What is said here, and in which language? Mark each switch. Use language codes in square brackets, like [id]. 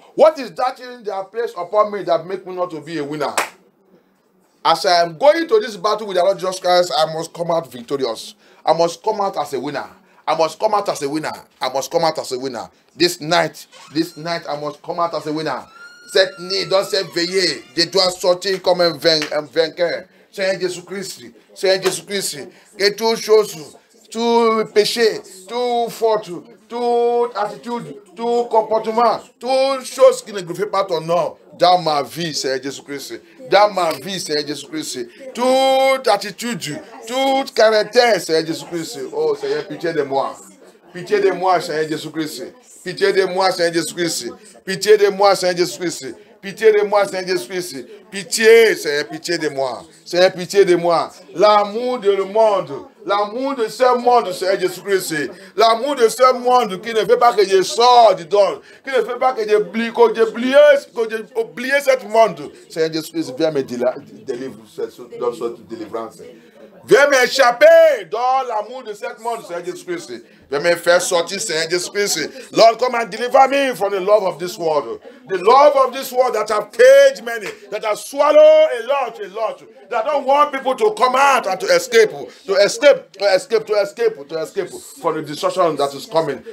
[en] What is that thing that placed upon me that make me not to be a winner? As I am going to this battle with the Lord Jesus Christ, I must come out victorious. I must come out as a winner. I must come out as a winner. I must come out as a winner. This night, I must come out as a winner. [fr] Cette nuit, dans cette veillée, je dois sortir comme un vainqueur. Seigneur Jésus-Christ, Seigneur Jésus-Christ, que toutes choses, tout péché, tout faute, toute attitude, tout comportement, toutes choses qui ne glorifient pas ton nom, dans ma vie, Seigneur Jésus-Christ. Dans ma vie, Seigneur Jésus-Christ. Toute attitude, tout caractère, Seigneur Jésus-Christ. Oh, Seigneur, pitié de moi. Pitié de moi, Seigneur Jésus-Christ. Pitié de moi, Seigneur Jésus-Christ. Pitié de moi, Seigneur Jésus-Christ. Pitié de moi, Seigneur Jésus-Christ. Pitié, Seigneur, pitié de moi. Seigneur, pitié de moi. L'amour de le monde. L'amour de ce monde, Seigneur Jésus-Christ. L'amour de ce monde qui ne fait pas que je sors du don. Qui ne fait pas que j'oublie ce monde. Seigneur Jésus-Christ, viens me délivrer dans cette délivrance. Viens m'échapper dans l'amour de ce monde, Seigneur Jésus-Christ. Viens me faire sortir, Seigneur Jésus-Christ. [en] Lord, come and deliver me from the love of this world. The love of this world that have caged many, that have swallowed a lot, that don't want people to come out and to escape from the destruction that is coming.